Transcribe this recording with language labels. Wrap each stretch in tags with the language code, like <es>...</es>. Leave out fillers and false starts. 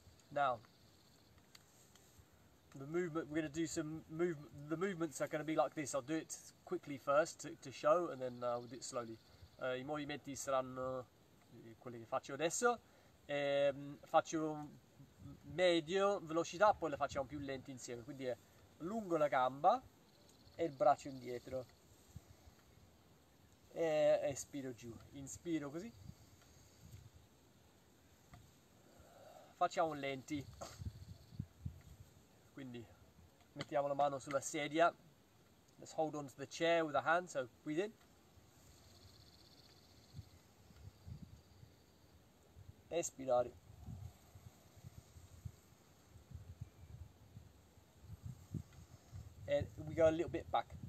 <en>Now, the movement, we're going to do some movement. The movements are going to be like this. I'll do it quickly first to show, and then we'll do it slowly.</en> <it>I movimenti saranno quelli che faccio adesso. E, faccio medio velocità, poi le facciamo più lenti insieme. Quindi è lungo la gamba e il braccio indietro. E espiro giù. Inspiro così. Facciamo lenti, quindi mettiamo la mano sulla sedia.</it> <en>Let's hold on to the chair with a hand, so breathe in.</en> <it>Espirare.</it> <en>And we go a little bit back.</en>